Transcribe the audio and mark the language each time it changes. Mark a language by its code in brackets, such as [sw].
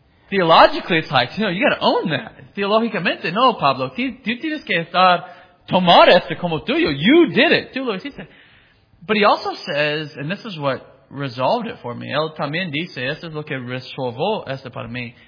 [en] Theologically, it's like, you know, you got to own that. [es] Theologicamente, no, Pablo. Tú tienes que estar tomar esto como tuyo. [en] You did it. [es] Tú lo hiciste. [en] But he also says, and this is what resolved it for me. [es] Él también dice, esto es lo que resolvó esto para mí.